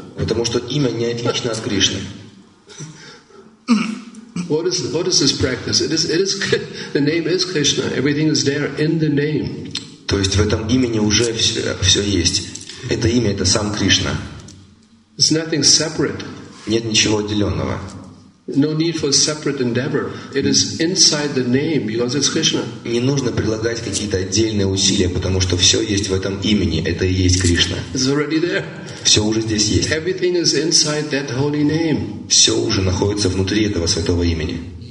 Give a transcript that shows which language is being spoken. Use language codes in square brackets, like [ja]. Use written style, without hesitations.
[ru] Потому что имя не отлично от Кришны. [en] What is this practice? It is the name is Krishna. Everything is there in the name. [ru] То есть в этом имени уже все есть. Это имя — это сам Кришна. [en] It's nothing separate. [ru] Нет ничего отделенного. [en] No need for separate endeavor. It is inside the name because it's Krishna. [ru] Не нужно прилагать какие-то отдельные усилия, потому что все есть в этом имени. Это и есть Кришна. [en] It's already there. [ru] Все уже здесь есть. [en] Everything is inside that holy name. [ru] Все уже находится внутри этого святого имени.